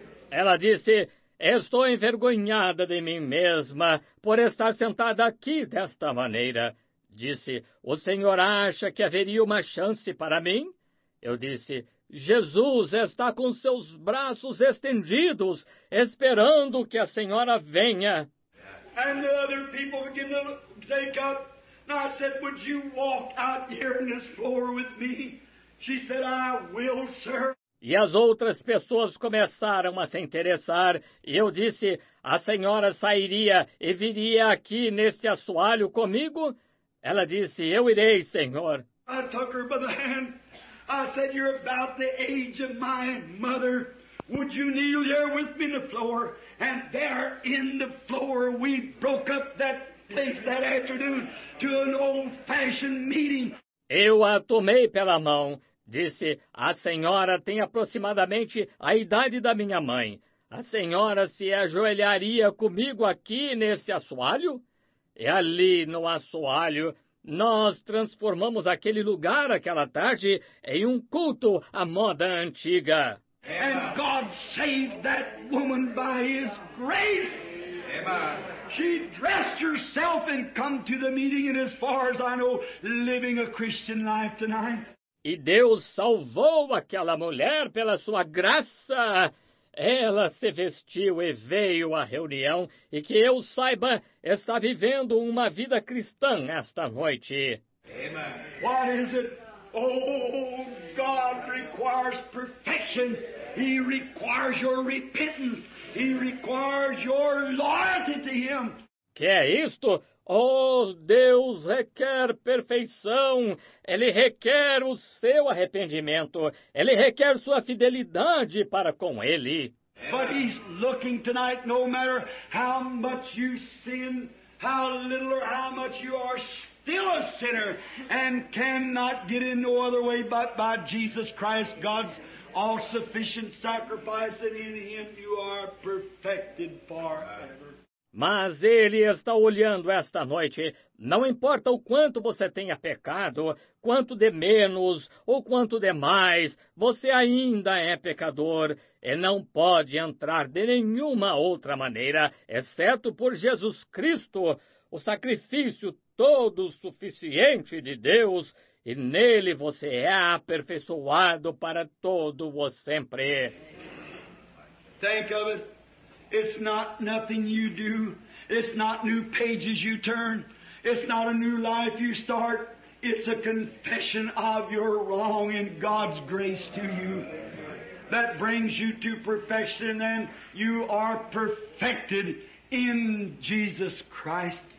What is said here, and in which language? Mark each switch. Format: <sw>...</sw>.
<pt>Ela disse, estou envergonhada de mim mesma por estar sentada aqui desta maneira. Disse, o senhor acha que haveria uma chance para mim? Eu disse, Jesus está com seus braços estendidos, esperando que a senhora venha.</pt> <en>And the other people began to take up. And I said, would you walk out here on this floor with me? She said, I will, sir.</en> <pt>E as outras pessoas começaram a se interessar. E eu disse, a senhora sairia e viria aqui neste assoalho comigo? Ela disse, eu irei, senhor.</pt> <en>I took her by the hand. I said, you're about the age of my mother. Would you kneel there with me on the floor? And there in the floor, we broke up that place that afternoon to an old-fashioned meeting.</en> <pt>Eu a tomei pela mão. Disse, a senhora tem aproximadamente a idade da minha mãe. A senhora se ajoelharia comigo aqui nesse assoalho? E ali no assoalho, nós transformamos aquele lugar aquela tarde em um culto à moda antiga.</pt> <en>And God saved that woman by his grace. Amen. She dressed herself and come to the meeting and as far as I know, living a Christian life tonight.</en> <pt>E Deus salvou aquela mulher pela sua graça. Ela se vestiu e veio à reunião, e que eu saiba, está vivendo uma vida cristã esta noite.</pt> <en>Amen. What is it? Oh, God requires perfection. He requires your repentance. He requires your loyalty to him.</en> <pt>Que é isto? Oh, Deus requer perfeição. Ele requer o seu arrependimento. Ele requer sua fidelidade para com ele.</pt> <en>But he's looking tonight, no matter how much you sin, how little or how much you are still a sinner and cannot get in no other way but by Jesus Christ, God's all-sufficient sacrifice, and in him you are perfected forever.</en> <pt>Mas ele está olhando esta noite. Não importa o quanto você tenha pecado, quanto de menos ou quanto de mais, você ainda é pecador e não pode entrar de nenhuma outra maneira, exceto por Jesus Cristo, o sacrifício todo suficiente de Deus, e nele você é aperfeiçoado para todo o sempre.</pt> <en>Thank you. It's not nothing you do. It's not new pages you turn. It's not a new life you start. It's a confession of your wrong and God's grace to you. That brings you to perfection and you are perfected in Jesus Christ.</en>